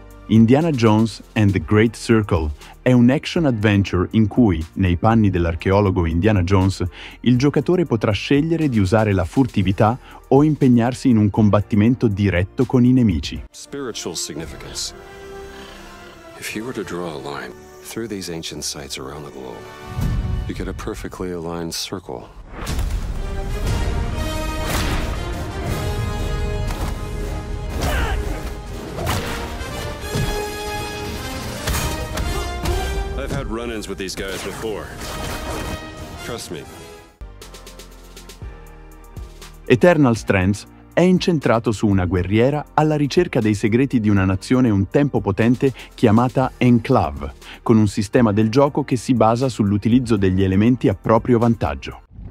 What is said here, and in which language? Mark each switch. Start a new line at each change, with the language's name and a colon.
Italian: Indiana Jones and the Great Circle è un action-adventure in cui, nei panni dell'archeologo Indiana Jones, il giocatore potrà scegliere di usare la furtività o impegnarsi in un combattimento diretto con i nemici.
English: Spiritual significance. If you were to draw a line through these ancient sites around the globe, you get a perfectly aligned circle. Run-ins with these guys before. Trust me.
Italian: Eternal Strands è incentrato su una guerriera alla ricerca dei segreti di una nazione un tempo potente chiamata Enclave, con un sistema del gioco che si basa sull'utilizzo degli elementi a proprio vantaggio.